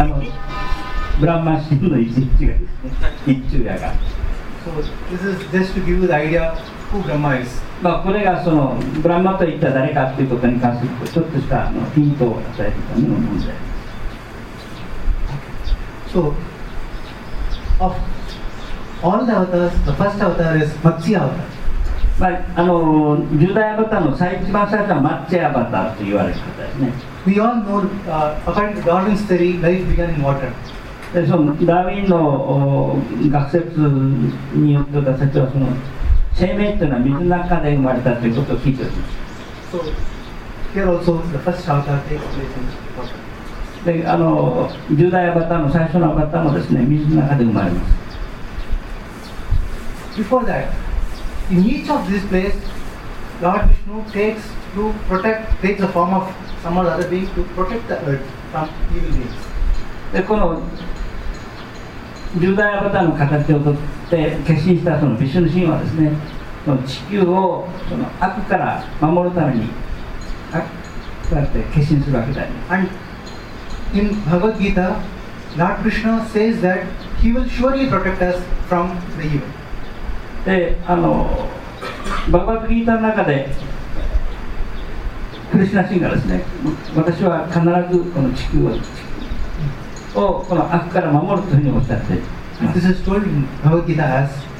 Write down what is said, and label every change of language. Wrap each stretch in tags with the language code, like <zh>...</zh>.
<ja>あのブランマ神の一日が、ね、一昼夜が。</ja> <en>So, this is just to give you the idea who Brahma is.</en> <ja>まあこれがそのブランマと言ったら誰かということに関するちょっとしたのヒントを与えてたのもんで。</ja> <en>So, of all the avatars, the first avatar is Matsya avatar.</en> <ja>まあ、あの十代アバターの最一番最初はマッチェアバターと言われる方ですね。</ja> <en>We all know, according to Darwin's theory, life began in water.</en> <ja>でそのダーウィンの学説によって出されたその生命というのは水の中で生まれたということを聞いています。</ja> <en>So, here also the first avatar takes place in water.</en> <ja>で、あの十代アバターの最初のアバターもですね、水の中で生まれます。</ja> <en>Before that. In each of these places, Lord Vishnu takes to protect, takes the form of some or other being to protect the earth from evil beings.</en> <ja>で、この十大アバターの形をとって決心したそのビシュヌ神はですね、その地球をその悪から守るために悪からって決心するわけだね。</ja> <en>And in Bhagavad Gita, Lord Krishna says that he will surely protect us from the evil.</en> <ja>で、あのバグバッドギーターの中でクリシナシンガですね、私は必ずこの地球 をこの悪から守るというふうにおっしゃって、</ja> <en>This is told in Bhagavad Gita as</en>